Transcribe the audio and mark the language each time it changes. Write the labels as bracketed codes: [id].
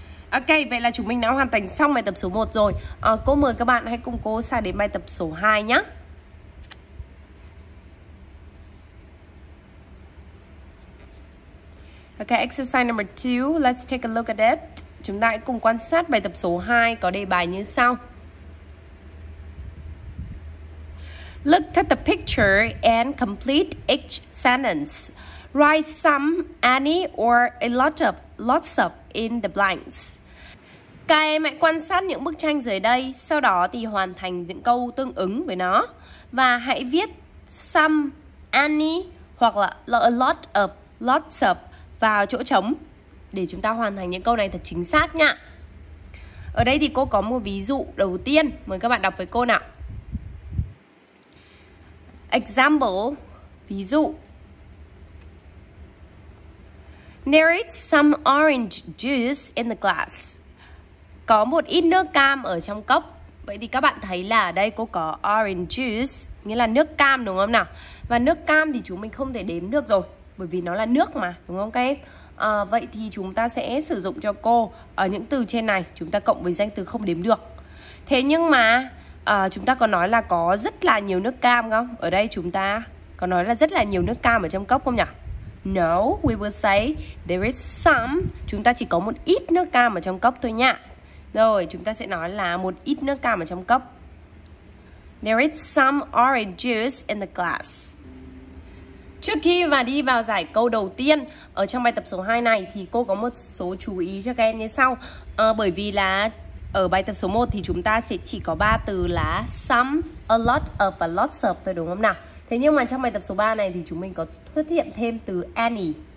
[vi] Ok, vậy là chúng mình đã hoàn thành xong bài tập số 1 rồi. Cô mời các bạn hãy cùng cô sang đến bài tập số 2 nhé. [en] Ok, exercise number 2, let's take a look at it. [vi] Chúng ta hãy cùng quan sát bài tập số 2 có đề bài như sau. [en] Look at the picture and complete each sentence. Write some, any or a lots of in the blanks. [vi] Các em hãy quan sát những bức tranh dưới đây, sau đó thì hoàn thành những câu tương ứng với nó và hãy viết some, any hoặc là a lot of, lots of vào chỗ trống để chúng ta hoàn thành những câu này thật chính xác nha. Ở đây thì cô có một ví dụ đầu tiên, mời các bạn đọc với cô nào. Example, ví dụ. [en] There is some orange juice in the glass. [vi] Có một ít nước cam ở trong cốc. Vậy thì các bạn thấy là ở đây cô có orange juice, nghĩa là nước cam đúng không nào? Và nước cam thì chúng mình không thể đếm được rồi, bởi vì nó là nước mà, đúng không các em? Vậy thì chúng ta sẽ sử dụng cho cô ở những từ trên này, chúng ta cộng với danh từ không đếm được. Thế nhưng mà chúng ta có nói là có rất là nhiều nước cam không? Ở đây chúng ta có nói là rất là nhiều nước cam ở trong cốc không nhỉ? [en] No, we will say there is some. [vi] Chúng ta chỉ có một ít nước cam ở trong cốc thôi nha. Rồi, chúng ta sẽ nói là một ít nước cam ở trong cốc. [en] There is some orange juice in the glass. [vi] Trước khi mà đi vào giải câu đầu tiên ở trong bài tập số 2 này thì cô có một số chú ý cho các em như sau. Bởi vì là ở bài tập số 1 thì chúng ta sẽ chỉ có 3 từ là some, a lot of và lots of thôi đúng không nào? Thế nhưng mà trong bài tập số 3 này thì chúng mình có xuất hiện thêm từ any.